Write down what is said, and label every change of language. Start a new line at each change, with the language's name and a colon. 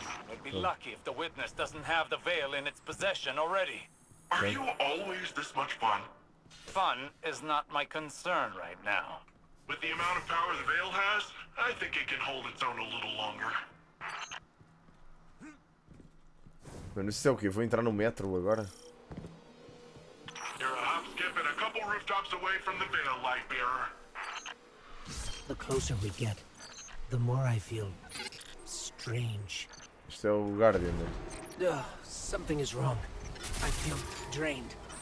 English: I'd be lucky if the witness doesn't have the veil in its possession already. Are you always this much fun? Fun is not my concern right now. With the amount of power the veil has, I think it can hold its own a little longer.
Portuguese: Mano, isso é o quê? Vou entrar no metro agora?
English: You're a hop, skip, and a couple rooftops away from the Vale, Lightbearer. The closer we get, the more I feel strange.
Portuguese: Isto é o Guardian.
English: Something is wrong. I feel drained.